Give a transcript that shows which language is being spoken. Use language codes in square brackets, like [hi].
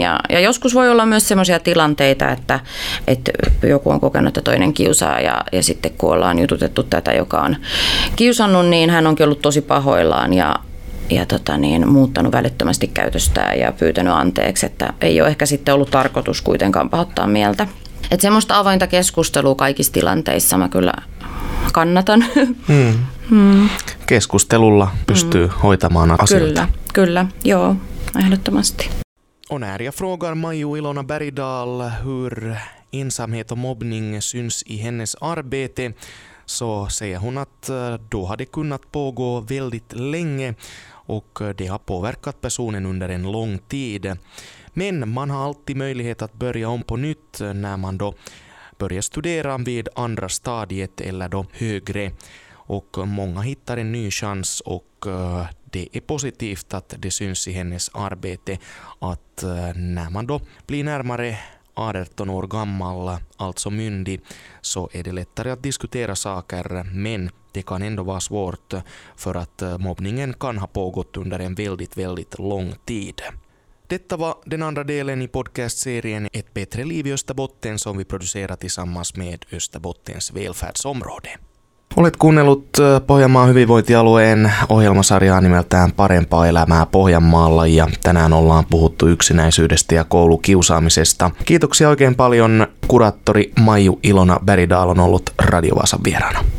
[fi] Ja joskus voi olla myös semmoisia tilanteita, että joku on kokenut, että toinen kiusaa ja sitten kun ollaan jututettu tätä, joka on kiusannut, niin hän onkin ollut tosi pahoillaan ja muuttanut välittömästi käytöstään ja pyytänyt anteeksi, että ei ole ehkä sitten ollut tarkoitus kuitenkaan pahoittaa mieltä. Että semmoista avointa keskustelua kaikissa tilanteissa mä kyllä kannatan. Keskustelulla pystyy hoitamaan asioita. Kyllä, kyllä, joo, ehdottomasti. [sv] On ääriä frågar Maju Ilona Bergdahl hur ensamhet och mobbning syns i hennes arbete. Så säger hon att då hade kunnat pågå väldigt länge och det har påverkat personen under en lång tid. Men man har alltid möjlighet att börja om på nytt när man då börjar studera vid andra stadiet eller då högre. Och många hittar en ny chans och det är positivt att det syns i hennes arbete att när man då blir närmare 18 år gammal, alltså myndig, så är det lättare att diskutera saker, men det kan ändå vara svårt för att mobbningen kan ha pågått under en väldigt, väldigt lång tid. Detta var den andra delen i podcastserien Ett bättre liv i Österbotten som vi producerar tillsammans med Österbottens välfärdsområde. [fi] Olet kuunnellut Pohjanmaan hyvinvointialueen ohjelmasarjaa nimeltään Parempaa elämää Pohjanmaalla ja tänään ollaan puhuttu yksinäisyydestä ja koulukiusaamisesta. Kiitoksia oikein paljon. Kuraattori Maiju Ilona Bergdahl on ollut Radio Vaasan vieraana.